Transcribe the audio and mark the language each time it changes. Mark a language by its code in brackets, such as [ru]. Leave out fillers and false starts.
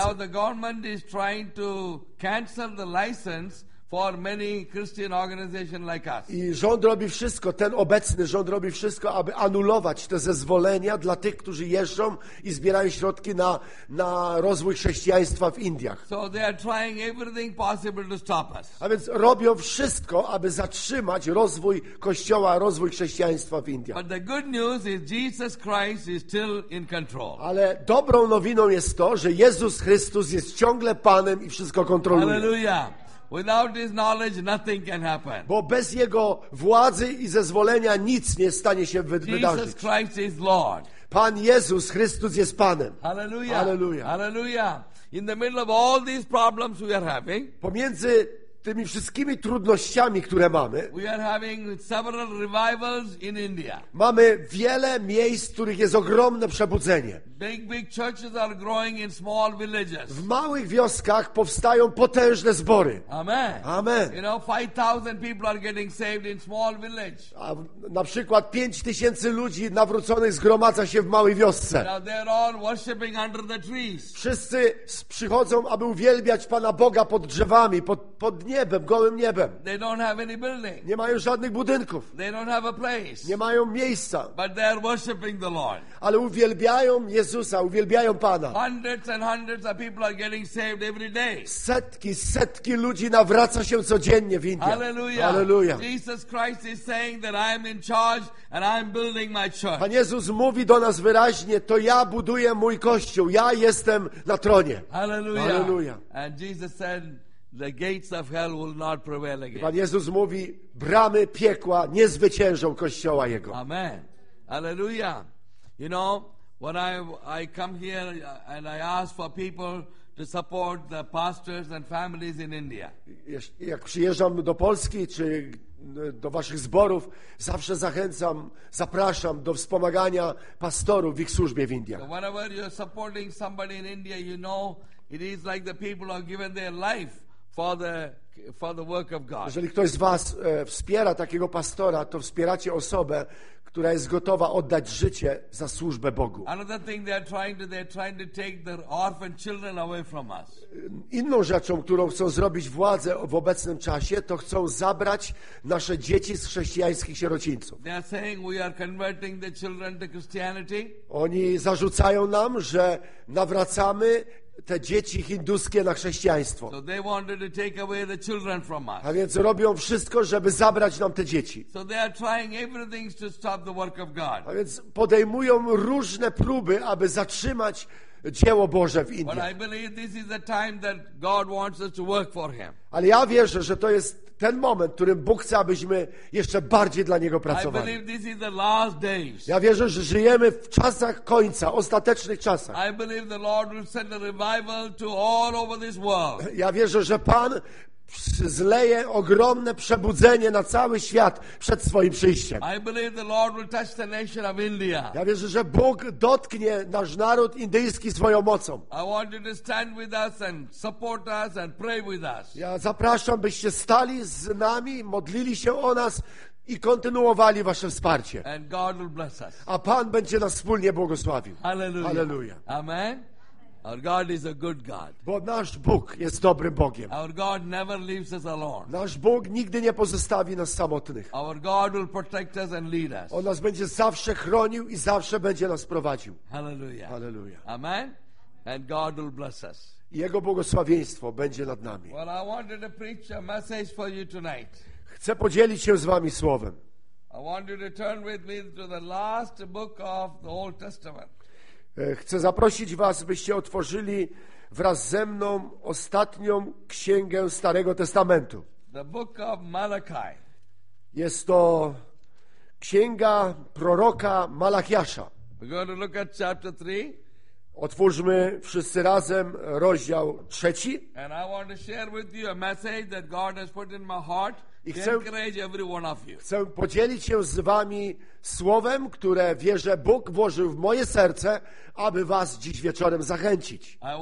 [en] Now the government is trying to cancel the license for many Christian organizations like us. [pl] I rząd robi wszystko, ten obecny rząd robi wszystko, aby anulować te zezwolenia dla tych, którzy jeżdżą i zbierają środki na rozwój chrześcijaństwa w Indiach. [en] So they are trying everything possible to stop us. [pl] A więc robią wszystko, aby zatrzymać rozwój kościoła, rozwój chrześcijaństwa w Indiach. [en] But the good news is Jesus Christ is still in control. [pl] Ale dobrą nowiną jest to, że Jezus Chrystus jest ciągle Panem i wszystko kontroluje. [en] Hallelujah. Without his knowledge nothing can happen. [pl] Bo bez jego władzy i zezwolenia nic nie stanie się wydarzyć. [en] Jesus Christ is Lord. [pl] Pan Jezus Chrystus jest Panem. [en] Hallelujah. Hallelujah. Hallelujah. In the middle of all these problems we are having. [pl] Pomiędzy tymi wszystkimi trudnościami, które mamy. [en] We are having several revivals in India. [pl] Mamy wiele miejsc, w których jest ogromne przebudzenie. [en] Big churches are growing in small villages. [pl] W małych wioskach powstają potężne zbory. [en] Amen. Amen. You know, 5,000 people are getting saved in small village. [pl] A na przykład 5,000 ludzi nawróconych zgromadza się w małej wiosce. [en] Now they're all worshiping under the trees. [pl] Wszyscy przychodzą, aby uwielbiać Pana Boga pod drzewami, pod niebem, gołym niebem. [en] They don't have any building. [pl] Nie mają żadnych budynków. [en] They don't have a place. [pl] Nie mają miejsca. [en] But they are worshiping the Lord. [pl] Ale uwielbiają Jezusa, uwielbiają Pana. [en] Hundreds and hundreds of people are getting saved every day. [pl] Setki ludzi nawraca się codziennie w Indiach. [en] Hallelujah. Hallelujah. Jesus Christ is saying that I am in charge and I am building my church. [pl] Pan Jezus mówi do nas wyraźnie, to ja buduję mój kościół, ja jestem na tronie. [en] Hallelujah. Hallelujah. And Jesus said, the gates of hell will not prevail against. [pl] Pan Jezus mówi, bramy piekła nie zwyciężą kościoła jego. [en] Amen. Hallelujah. You know, when I come here and I ask for people to support the pastors and families in India. [pl] Jak przyjeżdżam do Polski czy do waszych zborów, zawsze zachęcam, zapraszam do wspomagania pastorów w ich służbie w Indiach. [en] So whenever you're supporting somebody in India, you know, it is like the people are giving their life for the work of God. [pl] Jeżeli ktoś z was wspiera takiego pastora, to wspieracie osobę, która jest gotowa oddać życie za służbę Bogu. [en] Another thing they're trying to take their orphan children away from us. [pl] Inną rzeczą, którą chcą zrobić władze w obecnym czasie, to chcą zabrać nasze dzieci z chrześcijańskich sierocińców. [en] They are saying we are converting the children to Christianity. [pl] Oni zarzucają nam, że nawracamy te dzieci hinduskie na chrześcijaństwo. [en] So they wanted to take away the children from us. [pl] A więc robią wszystko, żeby zabrać nam te dzieci. [en] So they are trying everything to stop the work of God. [pl] A więc podejmują różne próby, aby zatrzymać dzieło Boże w Indiach. [en] But I believe this is the time that God wants us to work for him. [pl] Ale ja wierzę, że to jest ten moment, w którym Bóg chce, abyśmy jeszcze bardziej dla Niego pracowali. [en] I believe this is the last days. [pl] Ja wierzę, że żyjemy w czasach końca, ostatecznych czasach. [en] I believe the Lord will send a revival to all over this world. [pl] Ja wierzę, że Pan zleje ogromne przebudzenie na cały świat przed swoim przyjściem. [en] I believe the Lord will touch the nation of India. [pl] Ja wierzę, że Bóg dotknie nasz naród indyjski swoją mocą. [en] I want you to stand with us and support us and pray with us. [pl] Ja zapraszam, byście stali z nami, modlili się o nas i kontynuowali wasze wsparcie. [en] And God will bless us. [pl] A Pan będzie nas wspólnie błogosławił. [en] Hallelujah. Hallelujah. Amen. Our God is a good God. [pl] Bo nasz Bóg jest dobrym Bogiem. [en] Our God never leaves us alone. [pl] Nasz Bóg nigdy nie pozostawi nas samotnych. [en] Our God will protect us and lead us. [pl] On nas będzie zawsze chronił i zawsze będzie nas prowadził. [en] Hallelujah. Hallelujah. Amen. And God will bless us. [pl] Jego błogosławieństwo będzie nad nami. [en] Well, I wanted to preach a message for you tonight. [pl] Chcę podzielić się z wami słowem. [en] I want you to turn with me to the last book of the Old Testament. [pl] Chcę zaprosić was, byście otworzyli wraz ze mną ostatnią księgę Starego Testamentu. [en] The book of Malachi. [pl] Jest to księga proroka Malachiasza. [en] We're going to look at chapter 3. [pl] Otwórzmy wszyscy razem rozdział 3. [en] And I want to share with you a message that God has put in my heart. [pl] I chcę podzielić się z wami słowem, które wierzę Bóg włożył w moje serce, aby was dziś wieczorem zachęcić.